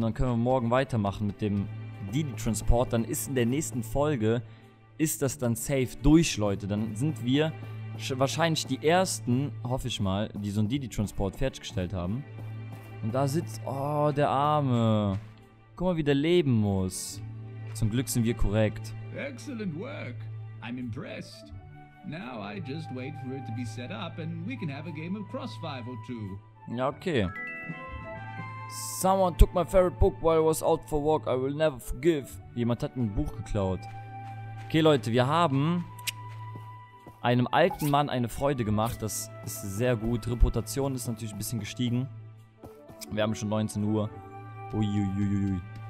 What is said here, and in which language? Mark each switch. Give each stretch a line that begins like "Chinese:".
German: Dann können wir morgen weitermachen mit dem Didi Transport. Dann ist in der nächsten Folge, ist das dann safe durch, Leute. Dann sind wir wahrscheinlich die Ersten, hoffe ich mal, die so einen Didi Transport fertiggestellt haben. Und da sitzt, oh, der Arme. Guck mal, wie der leben muss. Zum Glück sind wir korrekt.
English: Excellent work. I'm impressed. Now I just wait for it to be set up and we can have a game of Crossfire or two.
German: Ja, okay.
English: Someone took my favorite book while I was out for walk. I will never forgive.
German: Jemand hat ein Buch geklaut. Okay, Leute, wir haben einem alten Mann eine Freude gemacht. Das ist sehr gut. Reputation ist natürlich ein bisschen gestiegen. Wir haben schon 19 Uhr. Uiuiuiui.